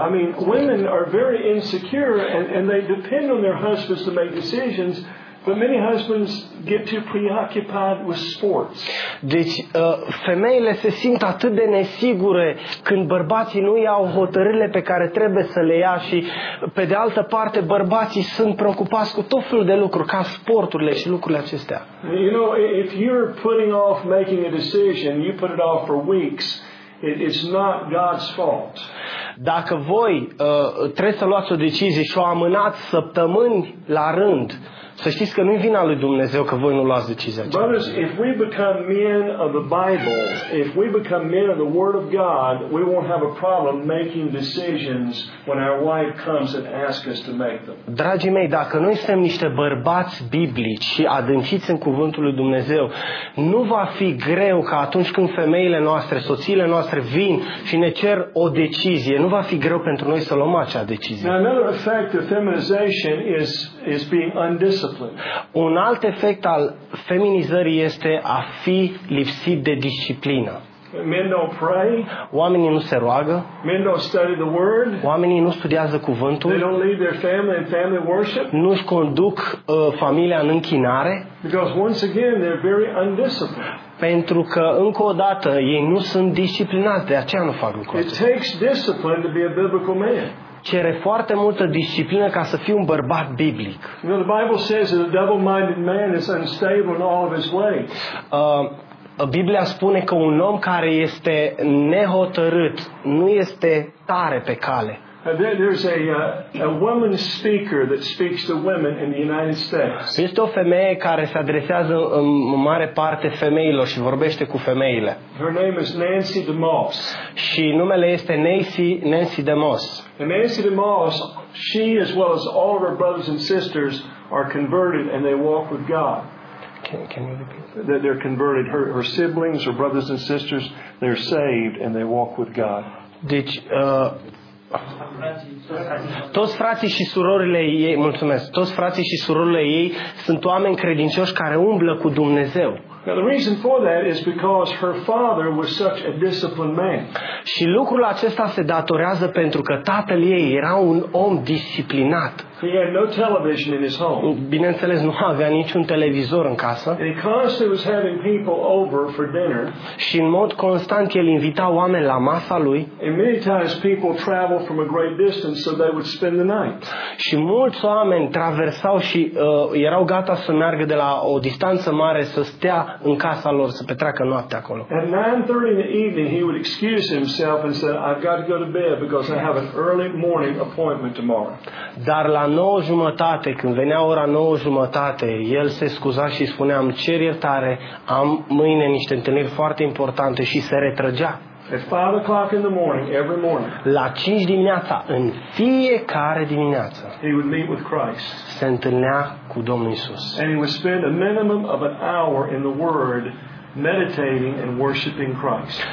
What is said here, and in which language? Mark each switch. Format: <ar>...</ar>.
<en>I mean, women are very insecure and they depend on their husbands to make decisions. But many husbands get too preoccupied with sports.</en> <ro>Deci, femeile se simt atât de nesigure când bărbații nu iau hotărârile pe care trebuie să le ia și, pe de altă parte, bărbații sunt preocupați cu tot felul de lucruri, ca sporturile și lucrurile acestea.</ro> <en>You know, if you're putting off making a decision, you put it off for weeks. It's not God's fault.</en> <ro>Dacă voi trebuie să luați o decizie și o amânați săptămâni la rând, să știți că nu-i vina lui Dumnezeu că voi nu luați decizia.</ro> <en>Brothers, if we become men of the Bible, if we become men of the Word of God, we won't have a problem making decisions when our wife comes and asks us to make them.</en> <ro>Dragii mei, dacă noi suntem niște bărbați biblici și adânciți în cuvântul lui Dumnezeu, nu va fi greu ca atunci când femeile noastre, soțiile noastre vin și ne cer o decizie, nu va fi greu pentru noi să luăm acea decizie.</ro> <en>Now, another effect of feminization is being</en> <ro>un alt efect al feminizării este a fi lipsit de disciplină.</ro> <en>Men don't pray.</en> <ro>Oamenii nu se roagă.</ro> <en>Men don't study the word.</en> <ro>Oamenii nu studiază cuvântul.</ro> <en>They don't lead their family in family worship.</en> <ro>Nu-și conduc familia în închinare.</ro> <en>Because once again, they're very undisciplined.</en> <ro>Pentru că încă o dată ei nu sunt disciplinați, de aceea nu fac lucrurile.</ro> <en>It takes discipline to be a biblical man.</en> <ro>Cere foarte multă disciplină ca să fii un bărbat biblic.</ro> <en>The Bible says that a double-minded man is unstable in all of his ways.</en> <ro>Biblia spune că un om care este nehotărât nu este tare pe cale.</ro> <en>There's a woman speaker that speaks to women in the United States.</en> <ro>Este o femeie care se adresează în mare parte femeilor și vorbește cu femeile.</ro> <en>Her name is Nancy DeMoss.</en> <ro>Și numele este Nancy DeMoss.</ro> <en>And Nancy DeMoss, she as well as all of her brothers and sisters are converted and they walk with God. Can you repeat that? That they're converted. Her siblings, her brothers and sisters, they're saved and they walk with God.</en> <ro>Deci, toți frații și surorile ei, mulțumesc. Toți frații și surorile ei sunt oameni credincioși care umblă cu Dumnezeu.</ro> <en>Now, the reason for that is because her father was such a disciplined man.</en> <ro>Și lucrul acesta se datorează pentru că tatăl ei era un om disciplinat.</ro> <en>He had no television in his home.</en> <ro>Bineînțeles, nu avea niciun televizor în casă.</ro> <en>And he constantly was having people over for dinner.</en> <ro>Și în mod constant el invita oameni la masa lui.</ro> <en>And many times people travel from a great distance so they would spend the night.</en> <ro>Și mulți oameni traversau și erau gata să meargă de la o distanță mare să stea în casa lor să petreacă noaptea acolo.</ro> <en>At 9:30 in the evening he would excuse himself and said I've got to go to bed because I have an early morning appointment tomorrow.</en> <ro>Dar la 9:30, când venea ora 9:30, el se scuza și spunea îmi cer iertare, am mâine niște întâlniri foarte importante și se retrăgea.</ro> <en>At 5 o'clock in the morning, every morning.</en> <ro>La 5 dimineața, în fiecare dimineață.</ro> <en>He would meet with Christ.</en> <ro>Se întâlnea cu Domnul Iisus.</ro> <en>And he would spend a minimum of an hour in the Word, meditating and worshiping Christ.</en>